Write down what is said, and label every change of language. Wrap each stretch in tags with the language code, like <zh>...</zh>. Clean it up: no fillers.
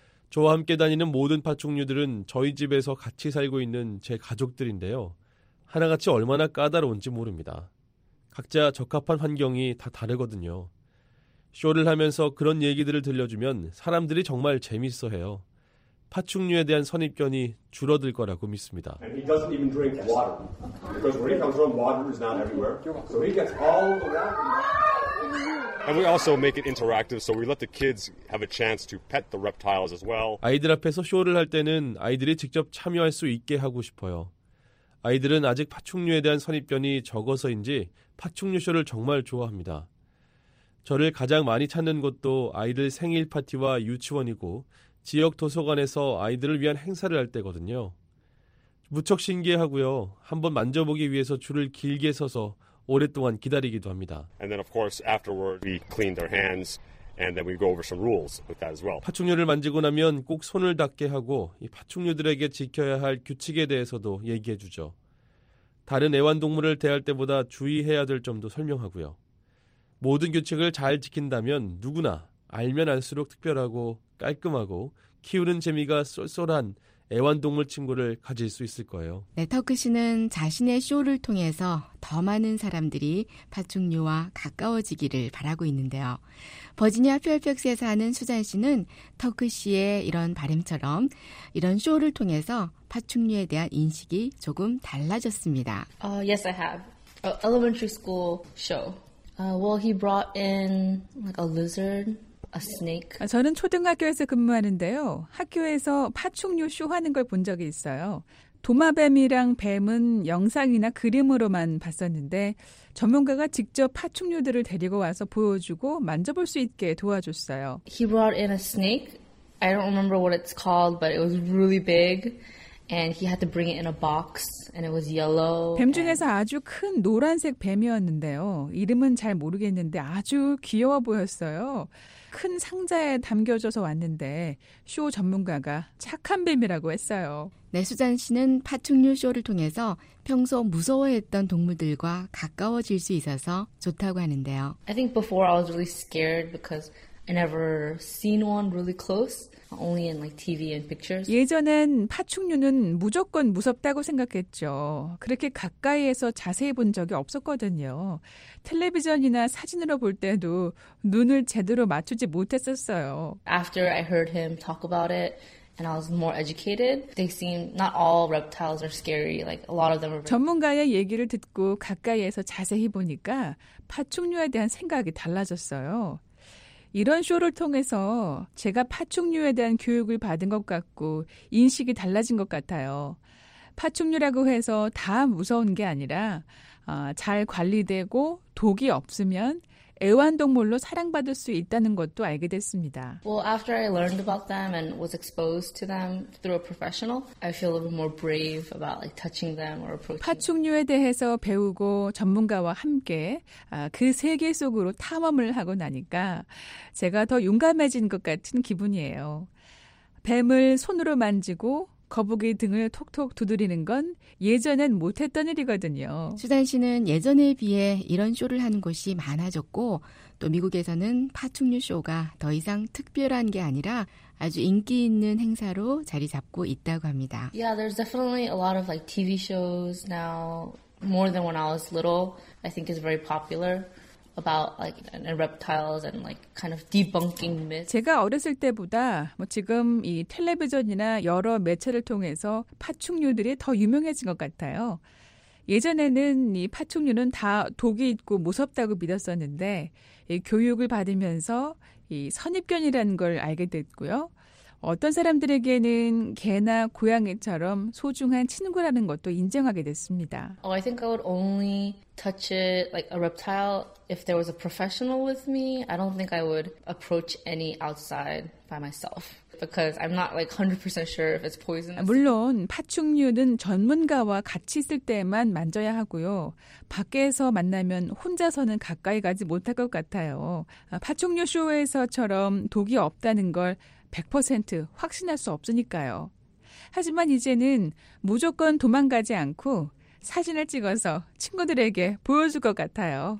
<ko>저와 함께 다니는 모든 파충류들은 저희 집에서 같이 살고 있는 제 가족들인데요. 하나같이 얼마나 까다로운지 모릅니다. 각자 적합한 환경이 다 다르거든요. 쇼를 하면서 그런 얘기들을 들려주면 사람들이 정말 재밌어해요. 파충류에 대한 선입견이 줄어들 거라고 믿습니다.</ko> <en>And he doesn't even drink water. Because where he comes from, water is not everywhere. So he gets all the reptiles. And we also make it interactive, so we let the kids have a chance to pet the reptiles as well.</en> <ko>아이들 앞에서 쇼를 할 때는 아이들이 직접 참여할 수 있게 하고 싶어요. 아이들은 아직 파충류에 대한 선입견이 적어서인지 파충류 쇼를 정말 좋아합니다. 저를 가장 많이 찾는 곳도 아이들 생일 파티와 유치원이고 지역 도서관에서 아이들을 위한 행사를 할 때거든요. 무척 신기하고요. 한번 만져보기 위해서 줄을 길게 서서 오랫동안 기다리기도 합니다.</ko> <en>And then of course afterward we clean their hands and then we go over some rules with that as well.</en> <ko>파충류를 만지고 나면 꼭 손을 닦게 하고 이 파충류들에게 지켜야 할 규칙에 대해서도 얘기해 주죠. 다른 애완동물을 대할 때보다 주의해야 될 점도 설명하고요. 모든 규칙을 잘 지킨다면 누구나 알면 알수록 특별하고 깔끔하고 키우는 재미가 쏠쏠한 애완동물 친구를 가질 수 있을 거예요. 네, 터크 씨는 자신의 쇼를 통해서 더 많은 사람들이 파충류와 가까워지기를 바라고 있는데요. 버지니아 필펙스에 사는 수잔 씨는 터크 씨의 이런 바람처럼 이런 쇼를 통해서 파충류에 대한 인식이 조금 달라졌습니다.</ko> <en>Yes, I have. Elementary school show. Well, he brought in like a lizard. A snake.</en> <ko>저는 초등학교에서 근무하는데요. 학교에서 파충류 쇼 하는 걸 본 적이 있어요. 도마뱀이랑 뱀은 영상이나 그림으로만 봤었는데 전문가가 직접 파충류들을 데리고 와서 보여주고 만져볼 수 있게 도와줬어요.</ko> <en>He brought in a snake. I don't remember what it's called, but it was really big. And he had to bring it in a box, and it was yellow.</en> <ko>뱀 중에서 아주 큰 노란색 뱀이었는데요. 이름은 잘 모르겠는데 아주 귀여워 보였어요. 큰 상자에 담겨져서 왔는데 쇼 전문가가 착한 뱀이라고 했어요. 네, 수잔 씨는 파충류 쇼를 통해서 평소 무서워했던 동물들과 가까워질 수 있어서 좋다고 하는데요.</ko> <en>I think before I was really scared because I never seen one really close. Only in like TV and pictures.</en> <ko>예전엔 파충류는 무조건 무섭다고 생각했죠. 그렇게 가까이에서 자세히 본 적이 없었거든요. 텔레비전이나 사진으로 볼 때도 눈을 제대로 맞추지 못했었어요.</ko> <en>After I heard him talk about it and I was more educated, they seem not all reptiles are scary. Like a lot of them are.</en> <ko>전문가의 얘기를 듣고 가까이에서 자세히 보니까 파충류에 대한 생각이 달라졌어요. 이런 쇼를 통해서 제가 파충류에 대한 교육을 받은 것 같고 인식이 달라진 것 같아요. 파충류라고 해서 다 무서운 게 아니라 잘 관리되고 독이 없으면 애완동물로 사랑받을 수 있다는 것도 알게 됐습니다.</ko> <en>Well, after I learned about them and was exposed to them through a professional, I feel a little more brave about like touching them or approaching them.</en> <ko>파충류에 대해서 배우고 전문가와 함께 그 세계 속으로 탐험을 하고 나니까 제가 더 용감해진 것 같은 기분이에요. 뱀을 손으로 만지고 거북이 등을 톡톡 두드리는 건 예전엔 못했던 일이거든요. 수잔 씨는 예전에 비해 이런 쇼를 하는 곳이 많아졌고 또 미국에서는 파충류 쇼가 더 이상 특별한 게 아니라 아주 인기 있는 행사로 자리 잡고 있다고 합니다.</ko> <en>Yeah, there's definitely a lot of like TV shows now more than when I was little. I think it's very popular. About like reptiles and like kind of debunking myths.</en> <ko>제가 어렸을 때보다 뭐 지금 이 텔레비전이나 여러 매체를 통해서 파충류들이 더 유명해진 것 같아요. 예전에는 이 파충류는 다 독이 있고 무섭다고 믿었었는데 이 교육을 받으면서 이 선입견이라는 걸 알게 됐고요. 어떤 사람들에게는 개나 고양이처럼 소중한 친구라는 것도 인정하게 됐습니다.</ko> <en>Oh, I think I would only touch it like a reptile if there was a professional with me. I don't think I would approach any outside by myself. Because I'm not like 100% sure if it's poisonous.</en> <ko>물론 파충류는 전문가와 같이 있을 때만 만져야 하고요. 밖에서 만나면 혼자서는 가까이 가지 못할 것 같아요. 파충류 쇼에서처럼 독이 없다는 걸 100% 확신할 수 없으니까요. 하지만 이제는 무조건 도망가지 않고 사진을 찍어서 친구들에게 보여줄 것 같아요.</ko>